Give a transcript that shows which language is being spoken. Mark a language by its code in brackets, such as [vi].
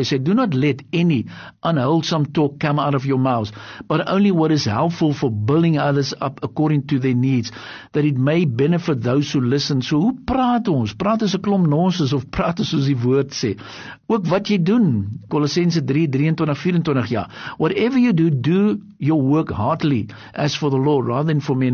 [af] Hy sê, [en] do not let any unwholesome talk come out of your mouths, but only what is helpful for building others up according to their needs, that it may benefit those who listen. [af] So hoe praat ons? Praat ons 'n klomp nonsens of praat ons soos die woord sê? Ook wat jy doen, Kolossense 3:23-24, ja. [en] Whatever you do, do your work heartily, as for the Lord, rather than for men.